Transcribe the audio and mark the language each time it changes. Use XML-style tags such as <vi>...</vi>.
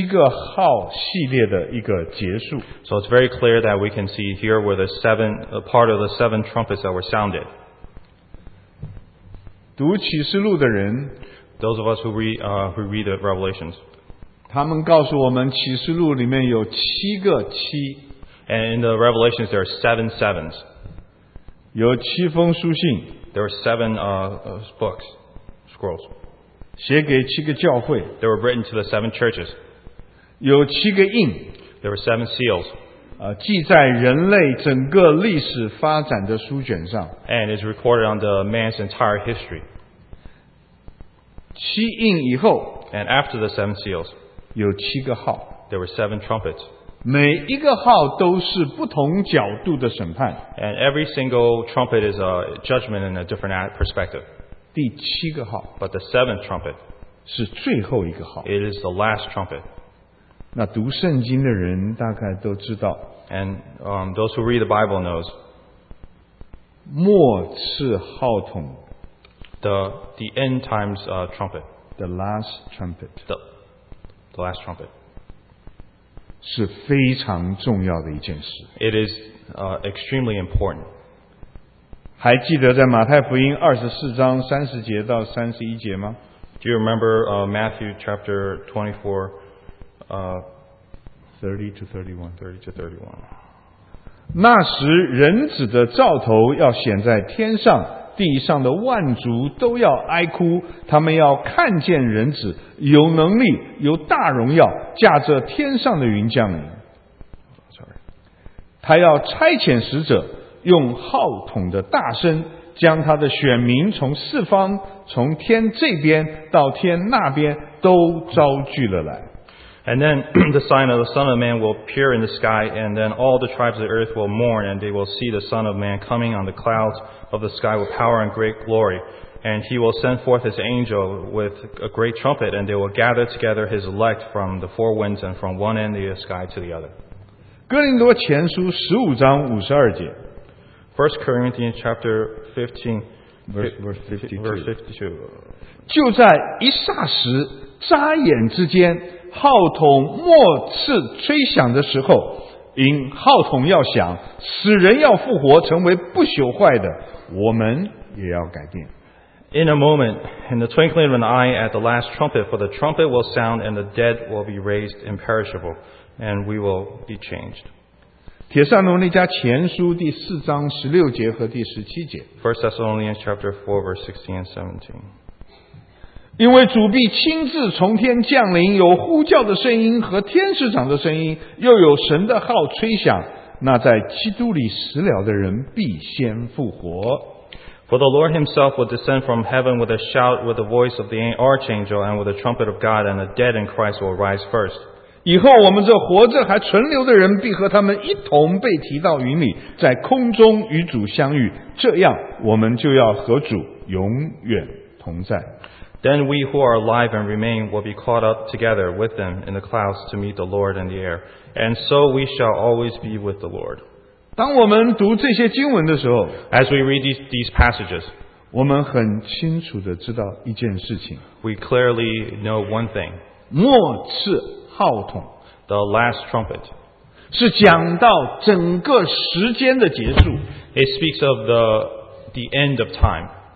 <zh>很清楚的你就知道这是七个号系列的一个结束。</zh> <en>So it's very clear that we can see here were the seven, part of the seven trumpets that were sounded.</en> <zh>读启示录的人,</zh> <en>those of us who read the Revelations,</en> <zh>他们告诉我们启示录里面有七个七,</zh> <en>and in the Revelations there are seven sevens.</en> <zh>有七封书信,</zh> <en>there are seven books, scrolls.</en> <zh>写给七个教会,</zh> <en>they were written to the seven churches.</en> <zh>有七个印,</zh> <en>there were seven seals.</en> <zh>记载人类整个历史发展的书卷上,</zh> <en>and it's recorded on the man's entire history.</en> <zh>七印以后,</zh> <en>and after the seven seals,</en> <zh>有七个号,</zh> <en>there were seven trumpets.</en> <zh>每一个号都是不同角度的审判,</zh> <en>and every single trumpet is a judgment in a different perspective.</en> <zh>第七个号,</zh> <en>but the seventh trumpet,</en> <zh>是最后一个号。</zh> <en>It is the last trumpet.</en> <zh>那读圣经的人大概都知道。</zh> <en>And those who read the Bible knows.</en> <zh>末次号筒。</zh> <en>The end times trumpet. The last trumpet. The last trumpet.</en> <zh>是非常重要的一件事。</zh> <en>It is extremely important.</en> <zh>还记得在马太福音二十四章三十节到三十一节吗</zh> <en>？Do you remember Matthew chapter 24, 30 to 31?</en> <zh>那时人子的兆头要显在天上，地上的万族都要哀哭，他们要看见人子有能力、有大荣耀，驾着天上的云降临。</zh> <en>Sorry.</en> <zh>他要差遣使者。用号筒的大声将他的选民从四方从天这边到天那边都招聚了来。</zh> <en>And then the sign of the Son of Man will appear in the sky and then all the tribes of the earth will mourn and they will see the Son of Man coming on the clouds of the sky with power and great glory. And he will send forth his angel with a great trumpet and they will gather together his elect from the four winds and from one end of the sky to the other.</en> <zh>哥林多前书十五章五十二节</zh> <en>First Corinthians chapter 15, verse 52.</en> <zh>就在一霎时眨眼之间号筒末次吹响的时候因号筒要响死人要复活成为不朽坏的我们也要改变。</zh> <en>In a moment, in the twinkling of an eye at the last trumpet, for the trumpet will sound and the dead will be raised imperishable, and we will be changed.</en> <zh>帖撒罗尼迦前书第四章十六节和第十七节</zh> <en>First Thessalonians chapter 4 verse 16 and 17</en> <zh>因为主必亲自从天降临有呼叫的声音和天使长的声音又有神的号吹响那在基督里死了的人必先复活</zh> <en>For the Lord himself will descend from heaven with a shout with the voice of the archangel and with the trumpet of God and the dead in Christ will rise first</en> <zh>以后我们这活着还存留的人必和他们一同被提到云里在空中与主相遇这样我们就要和主永远同在</zh> <en>Then we who are alive and remain will be caught up together with them in the clouds to meet the Lord in the air and so we shall always be with the Lord</en> <zh>当我们读这些经文的时候</zh> <en>As we read these passages</en> <zh>我们很清楚地知道一件事情</zh> <en>We clearly know one thing</en> <zh>末次号筒</zh> <en>The last trumpet</en> <zh>是讲到整个时间的结束</zh> <en>It speaks of the end of time</en>